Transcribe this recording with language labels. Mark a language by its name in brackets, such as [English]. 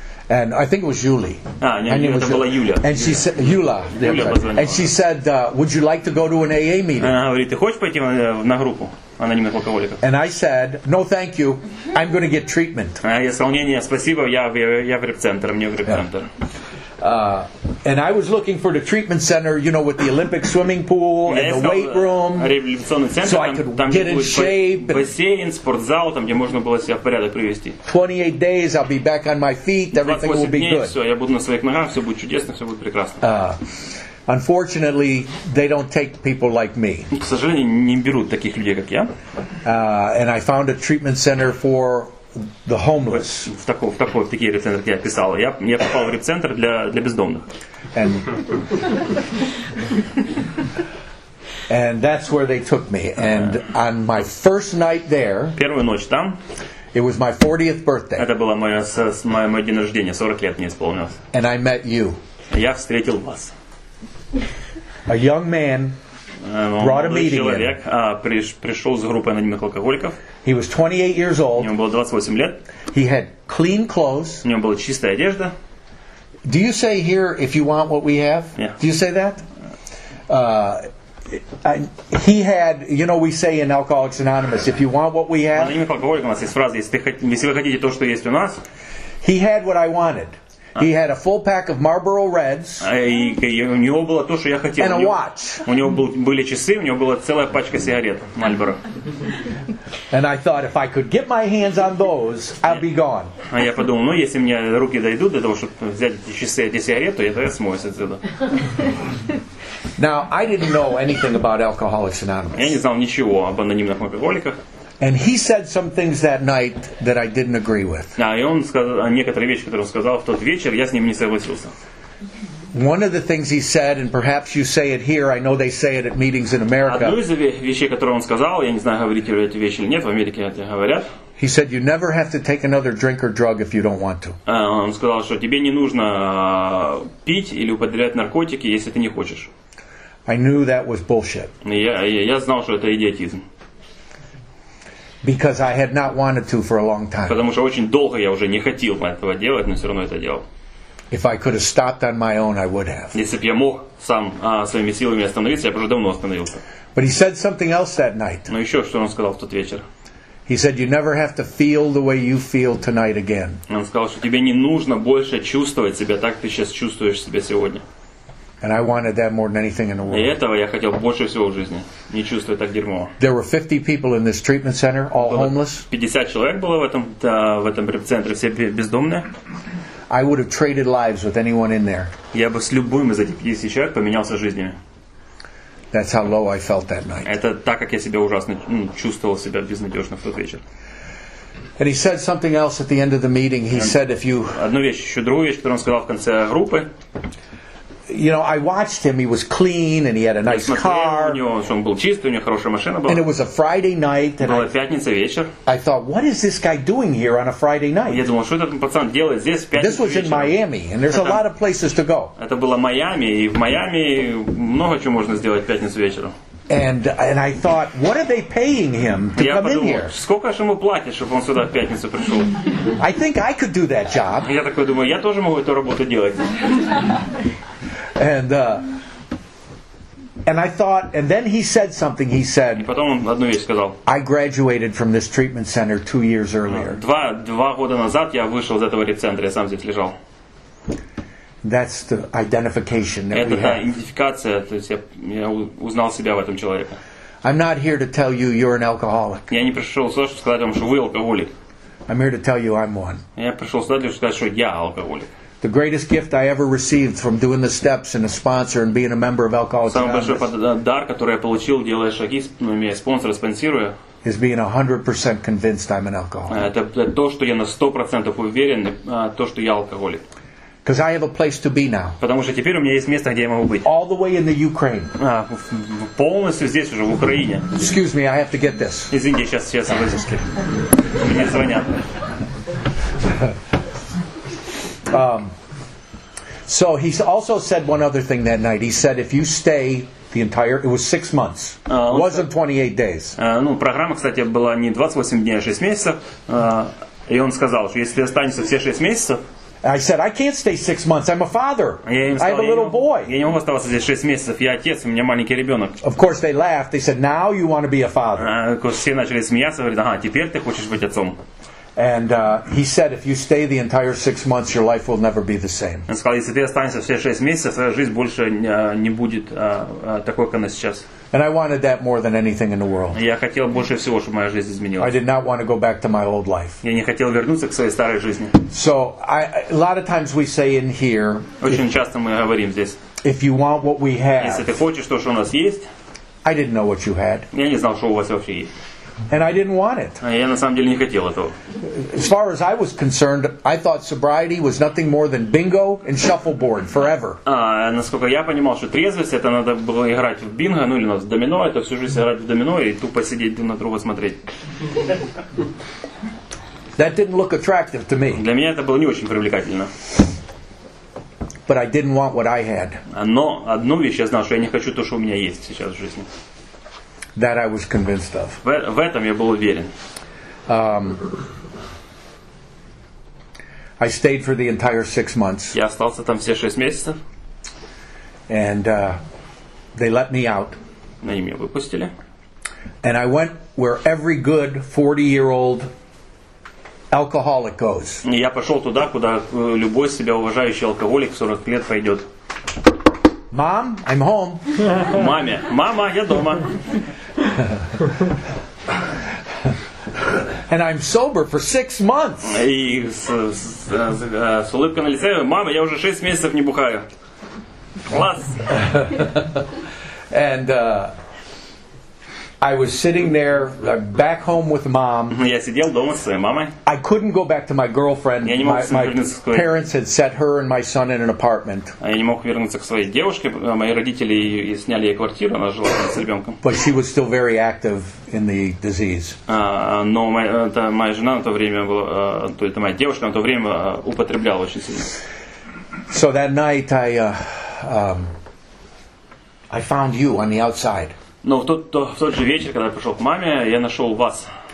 [English] And I think it was Julie. [Russian] Юля. [English] And she said, Юля. And she said, would you like to go to an AA meeting? [Russian] Она говорит, ты хочешь пойти на группу анонимных алкоголиков? [English] And I said, no, thank you. I'm going to get treatment. [Russian] Я сказал, не, спасибо, я в реабилитационный центр, мне в реабилитационный центр. [English] And I was looking for the treatment center, with the Olympic swimming pool and the weight room, so I could get in shape. [Russian] Бассейн, спортзал, там где можно было себя в порядок привести. [English] 28 days, I'll be back on my feet. Everything will be good. [Russian] Все, я буду на своих ногах, все будет чудесно, все будет прекрасно. [English] Unfortunately, they don't take people like me. [Russian] К сожалению, не берут таких людей, как я. [English] And I found a treatment center for the homeless. [Russian] В такие реабилитационные центры я писал. Я попал в реабилитационный центр для бездомных. [English] And that's where they took me. And on my first night there. [Russian] Первую ночь там. [English] It was my 40th birthday. [Russian] Это было мой день рождения, 40 лет мне исполнилось. [English] And I met you. [Russian] Я встретил вас. [English] A young man. Brought a meeting. [Russian] Человек пришел с группой анонимных алкоголиков. [English] He was 28 years old. [Russian] Ему было 28 лет. [English] He had clean clothes. [Russian] У него была чистая одежда. [English] Do you say here if you want what we have? Yeah. Do you say that? He had, we say in Alcoholics Anonymous, if you want what we have. [Russian] Анонимных алкоголиков у нас есть фраза, если вы хотите то, что есть у нас. [English] He had what I wanted. He had a full pack of Marlboro Reds. [Russian] У него было то, что я хотел. [English] And a watch. [Russian] У него были часы, у него была целая пачка сигарет Marlboro. [English] And I thought, if I could get my hands on those, I'd be gone. [Russian] А я подумал, если мне руки дойдут до того, чтобы взять эти часы, эти сигареты, то я смоюсь отсюда. [English] Now I didn't know anything about Alcoholics Anonymous. [Russian] Я не знал ничего об анонимных алкоголиках. [English] And he said some things that night that I didn't agree with. [Russian] И он сказал некоторые вещи, которые он сказал в тот вечер, я с ним не согласился. [English] One of the things he said, and perhaps you say it here, I know they say it at meetings in America. [Russian] Одну из вещей, которую он сказал, я не знаю, говорите ли эти вещи или нет, в Америке это говорят. [English] He said you never have to take another drink or drug if you don't want to. [Russian] Он сказал, что тебе не нужно пить или употреблять наркотики, если ты не хочешь. [English] I knew that was bullshit. [Russian] Я знал, что это идиотизм. [English] Because I had not wanted to for a long time. [Russian] Потому что очень долго я уже не хотел этого делать, но все равно это делал. [English] If I could have stopped on my own, I would have. [Russian] Если бы я мог сам своими силами остановиться, я бы уже давно остановился. [English] But he said something else that night. [Russian] Но еще что он сказал в тот вечер? [English] He said you never have to feel the way you feel tonight again. [Russian] Он сказал, что тебе не нужно больше чувствовать себя так, как ты сейчас чувствуешь себя сегодня. [English] And I wanted that more than anything in the world. [Russian] И этого я хотел больше всего в жизни. Не чувствую так дерьмо. [English] There were 50 people in this treatment center, all homeless. [Russian] 50 человек было в этом центре, все бездомные. [English] I would have traded lives with anyone in there. [Russian] Я бы с любым из этих 50 человек поменялся жизнями. [English] That's how low I felt that night. [Russian] Это так, как я себя ужасно чувствовал себя безнадежно в тот вечер. [English] And he said something else at the end of the meeting. He said if you [Russian] одну вещь, еще другую вещь, которую он сказал в конце группы. [English] You know, I watched him. He was clean, and he had a nice car. [Russian] Он был чистый, у него хорошая машина была. [English] And it was a Friday night. [Russian] Была пятница вечер. [English] I thought, what is this guy doing here on a Friday night? [Russian] Я думал, что этот пацан делает здесь в пятницу вечером. [English] This was in Miami, and there's a lot of places to go. [Russian] Это было Майами, и в Майами много чего можно сделать в пятницу вечером. [English] And I thought, what are they paying him to come in here? [Russian] Сколько же ему платят, чтобы он сюда в пятницу пришел? [English] I think I could do that job. [Russian] Я такой думаю, я тоже могу эту работу делать. [English] And I thought, and then he said something. He said, "I graduated from this treatment center 2 years earlier." [Russian] Два года назад я вышел из этого реабилитационного центра. Я сам здесь лежал. That's the identification that we have. Это та идентификация. То есть я узнал себя в этом человеке. [English] I'm not here to tell you you're an alcoholic. [Russian] Я не пришел сюда, чтобы сказать вам, что вы алкоголик. [English] I'm here to tell you I'm one. [Russian] Я пришел сюда, чтобы сказать, что я алкоголик. [English] The greatest gift I ever received from doing the steps and a sponsor and being a member of Alcoholics Anonymous. [Russian] Самый большой дар, который я получил, делая шаги, имея спонсора, спонсируя. [English] Is being 100% convinced I'm an alcoholic. [Russian] Это то, что я на 100% уверен, то, что я алкоголик. [English] Because I have a place to be now. [Russian] Потому что теперь у меня есть место, где я могу быть. [English] All the way in the Ukraine. [Russian] Полностью здесь уже в Украине. [English] Excuse me, I have to get this. [Russian] Извините, сейчас в розыске. Мне звонят. [English] So he also said one other thing that night. He said, if you stay the entire, it was 6 months. It wasn't 28 days. [Russian] Программа, кстати, была не 28 дней, а 6 месяцев. И он сказал, что если останется все 6 месяцев. [English] I said, I can't stay 6 months. I'm a father. [Russian] Сказал, [English] I have a little boy. [Russian] Я не могу оставаться здесь 6 месяцев. Я отец, у меня маленький ребенок. [English] Of course, they laughed. They said, now you want to be a father. [Russian] Все начали смеяться, говорили, ага, теперь ты хочешь быть отцом. [English] And he said, if you stay the entire 6 months, your life will never be the same. [Russian] Он сказал, если ты останешься все 6 месяцев, твоя жизнь больше не будет такой, как она сейчас. [English] And I wanted that more than anything in the world. [Russian] Я хотел больше всего, чтобы моя жизнь изменилась. [English] I did not want to go back to my old life. [Russian] Я не хотел вернуться к своей старой жизни. [English] So a lot of times we say in here. [Russian] Очень часто мы говорим здесь. [English] If you want what we have. [Russian] Если ты хочешь то, что у нас есть. [English] I didn't know what you had. [Russian] Я не знал, что у вас вообще есть. [English] And I didn't want it. [Russian] Я на самом деле не хотел этого. [English] As far as I was concerned, I thought sobriety was nothing more than bingo and shuffleboard forever. [Russian] Насколько я понимал, что трезвость это надо было играть в бинго, ну или в домино, это всю жизнь играть в домино и тупо сидеть друг на друга смотреть. [English] That didn't look attractive to me. [Russian] Для меня это было не очень привлекательно. [English] But I didn't want what I had. [Russian] Но одну вещь я знал, что я не хочу то, что у меня есть сейчас в жизни. [English] That I was convinced of. [Russian] В этом я был уверен. [English] I stayed for the entire 6 months. [Russian] Я остался там все 6 месяцев. [English] And they let me out. [Russian] Они меня выпустили. [English] And I went where every good 40-year-old alcoholic goes. [Russian] Я пошел туда, куда любой себя уважающий алкоголик 40 лет пойдет. [English] Mom, I'm home. [Russian] Маме, мама, я дома. [English] And I'm sober for 6 months. [Russian] И с улыбкой на лице, мама, я уже 6 месяцев не бухаю. Класс. [English] And I was sitting there, back home with mom. [Russian] Я сидел дома со своей мамой. [English] I couldn't go back to my girlfriend. [Russian] Я не мог вернуться к своей. [English] My parents had set her and my son in an apartment. [Russian] Я не мог вернуться к своей девушке. Мои родители и сняли ей квартиру, она жила с ребенком. [English] But she was still very active in the disease. [Russian] Но моя жена на то время была, то есть моя девушка на то время употребляла очень сильно. [English] So that night I found you on the outside. [Russian] Но в тот же вечер, когда я пришел к маме, я нашел вас.